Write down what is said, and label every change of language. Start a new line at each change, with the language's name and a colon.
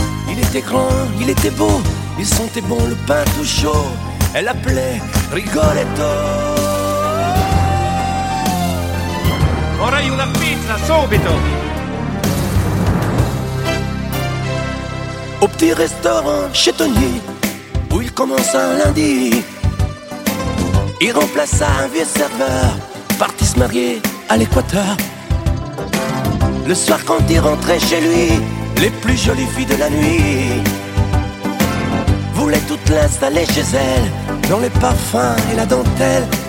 French: Il était grand, il était beau, il sentait bon le pain tout chaud, elle appelait Rigoletto.
Italian: Vorrei una pizza, subito!
French: Au petit restaurant chez Tony, où il commence un lundi, il remplaça un vieux serveur, parti se marier à l'équateur. Le soir quand il rentrait chez lui, les plus jolies filles de la nuit voulaient toutes l'installer chez elles, dans les parfums et la dentelle.